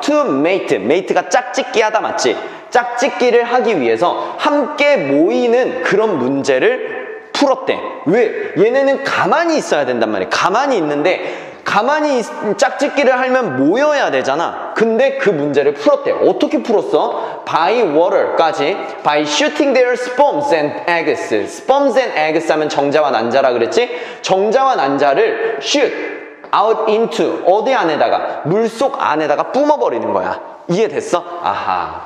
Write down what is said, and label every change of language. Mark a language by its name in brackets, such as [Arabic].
[English] To mate, [Korean] mate가 짝짓기 하다 맞지? 짝짓기를 하기 위해서 함께 모이는 그런 문제를 풀었대. 왜? 얘네는 가만히 있어야 된단 말이야. 가만히 있는데 가만히 짝짓기를 하면 모여야 되잖아. 근데 그 문제를 풀었대. 어떻게 풀었어? By water까지. [English] By shooting their sperms and eggs. Sperms and eggs [Korean] 하면 정자와 난자라 그랬지? 정자와 난자를 [English] shoot out into [Korean] 어디 안에다가? 물속 안에다가 뿜어버리는 거야. 이해됐어? 아하.